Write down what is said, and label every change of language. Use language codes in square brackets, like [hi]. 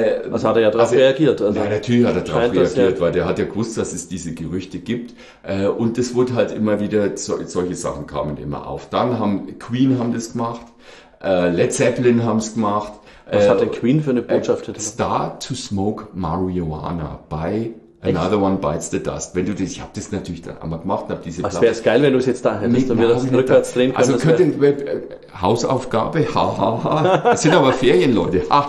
[de] Was hat er ja darauf reagiert? Also, nein, natürlich hat er darauf reagiert, weil der hat ja gewusst, dass es diese Gerüchte gibt. Und es wurde halt immer wieder, solche Sachen kamen immer auf. Dann haben Queen haben das gemacht. Led Zeppelin haben es gemacht. Was hat der Queen für eine Botschaft? [en] Start to smoke marijuana by another one bites the dust. [de] Wenn du das, ich habe das natürlich dann einmal gemacht und habe diese Platte. Was wäre es geil, wenn du es jetzt da hättest und wir das rückwärts drehen können. Also könnte Hausaufgabe, das sind aber Ferien, Leute.